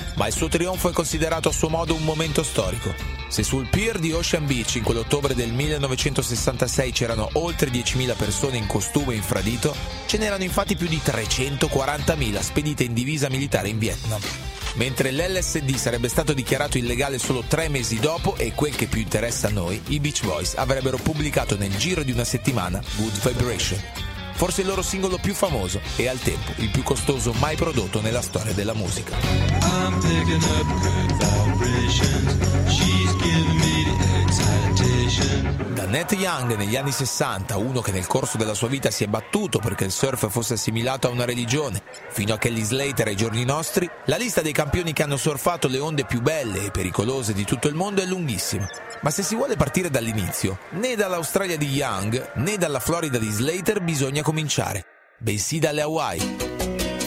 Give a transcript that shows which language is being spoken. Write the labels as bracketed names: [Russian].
[Italian] Ma il suo trionfo è considerato a suo modo un momento storico. Se sul pier di Ocean Beach in quell'ottobre del 1966 c'erano oltre 10.000 persone in costume infradito, ce n'erano infatti più di 340.000 spedite in divisa militare in Vietnam. Mentre l'LSD sarebbe stato dichiarato illegale solo 3 mesi dopo, e quel che più interessa a noi, i Beach Boys avrebbero pubblicato nel giro di una settimana Good Vibration, forse il loro singolo più famoso e al tempo il più costoso mai prodotto nella storia della musica. [English] I'm picking up good vibrations, she's giving me the excitation. [Italian] Da Nat Young negli anni 60, uno che nel corso della sua vita si è battuto perché il surf fosse assimilato a una religione, fino a Kelly Slater ai giorni nostri, la lista dei campioni che hanno surfato le onde più belle e pericolose di tutto il mondo è lunghissima. Ma se si vuole partire dall'inizio, né dall'Australia di Young, né dalla Florida di Slater bisogna cominciare, bensì dalle Hawaii.